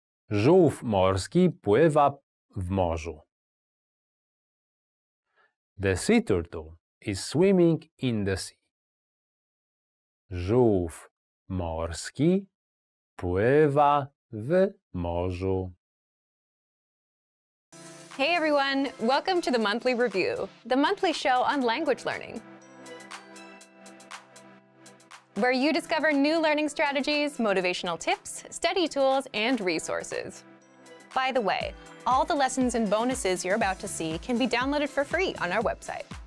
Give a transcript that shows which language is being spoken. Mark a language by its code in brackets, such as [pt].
[pl] Żółw morski pływa w morzu. [en] The sea turtle is swimming in the sea. [pl] Żółw morski pływa w morzu. [en] Hey everyone, welcome to the monthly review, the monthly show on language learning, where you discover new learning strategies, motivational tips, study tools, and resources. By the way, all the lessons and bonuses you're about to see can be downloaded for free on our website.